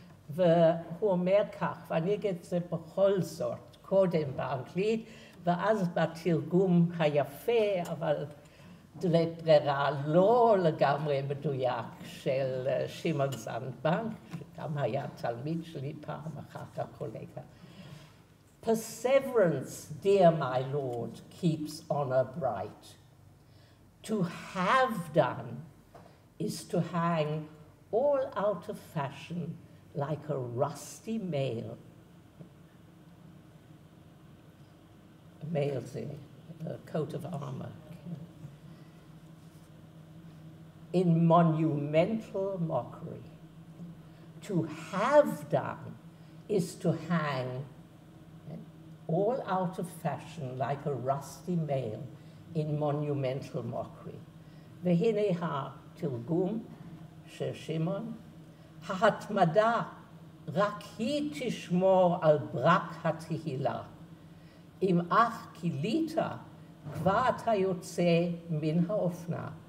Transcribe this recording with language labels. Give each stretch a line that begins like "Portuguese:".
Hebrew: והוא אומר כך, ואני אגיד את זה בכל זאת, קודם באנגלית, ואז בתרגום היפה, אבל דלת ברירה לא לגמרי מדויק של שמעון זנדבנק, שגם היה תלמיד שלי פעם אחר כך קולגה.
English: Perseverance, dear my lord, keeps honor bright. To have done is to hang all out of fashion like a rusty mail. A mail's a coat of armor. In monumental mockery, to have done is to hang all out of fashion like a rusty mail in monumental mockery.
Hebrew: והנה התרגום של שמעון, ההתמדה רק היא תשמור על ברק התהילה. אם אך קילית, כבר אתה יוצא מן האופנה.